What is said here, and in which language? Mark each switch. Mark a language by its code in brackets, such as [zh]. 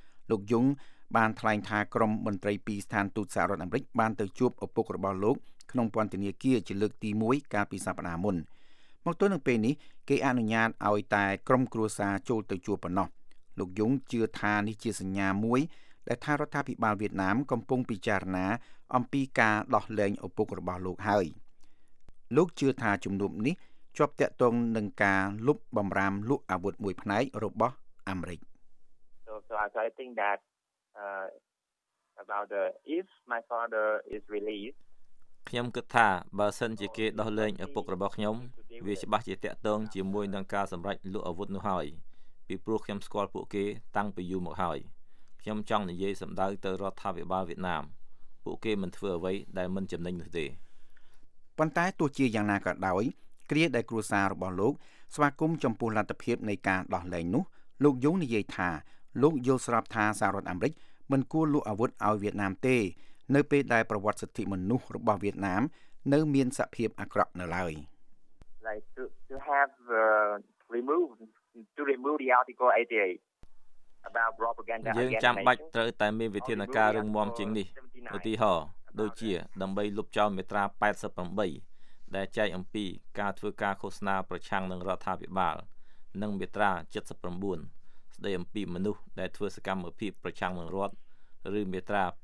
[km] លោកយុងបានថ្លែងថាក្រុមមន្ត្រីពីស្ថានទូតសហរដ្ឋអាមេរិកបានទៅជួបឪពុករបស់លោកក្នុងពន្ធនាគារជាលើកទី1កាលពីសប្តាហ៍មុនមកទល់នឹងពេលនេះគេអនុញ្ញាតឲ្យតែក្រុមគ្រួសារចូលទៅជួបប៉ុណ្ណោះលោកយុងជឿថានេះជាសញ្ញាមួយដែលថារដ្ឋាភិបាលវៀតណាមកំពុងពិចារណាអំពីការដោះលែងឪពុករបស់លោកហើយលោកជឿថាជំនួបនេះជាប់ទាក់ទងនឹងការលុបបំរាមលោកអាវុធមួយផ្នែករបស់អាមេរិក [en] So if So I think that about the if my father is released [km] ខ្ញុំគិតថាបើសិនជាគេដោះលែងឪពុករបស់ខ្ញុំវាច្បាស់ជាតកតងជាមួយនឹងការសម្រេចលក់អាវុធនោះហើយពីព្រោះខ្ញុំស្គាល់ពួកគេតាំងពីយូរមកហើយខ្ញុំចង់និយាយសម្ដៅទៅរដ្ឋាភិបាលវៀតណាមពួកគេមិនធ្វើអ្វីដែលមិនចំណេញនោះទេ ប៉ុន្តែទោះជាយ៉ាងណាក៏ដោយគ្រាដែលគ្រួសាររបស់លោកស្វាគមន៍ចំពោះលទ្ធភាពនៃការដោះលែងនោះលោកយងនិយាយថាលោកយល់ស្របថាសហរដ្ឋអាមេរិកមិនគួរលក់អាវុធឲ្យវៀតណាមទេនៅពេលដែលប្រវត្តិសិទ្ធិមនុស្សរបស់វៀតណាមនៅមានសភាពអាក្រក់នៅឡើយ [en] Like to have removed the article 88 [km] យើងចាំបាច់ត្រូវតែមានវិធានការរឹងមាំជាងនេះឧទាហរណ៍ដូចជាដើម្បីលុបចោលមាត្រា88ដែលចែកអំពីការធ្វើការឃោសនាប្រឆាំងនឹងរដ្ឋាភិបាលនិងមាត្រា79ស្ដីអំពីមនុស្សដែលធ្វើសកម្មភាពប្រឆាំងនឹងរដ្ឋឬមាត្រា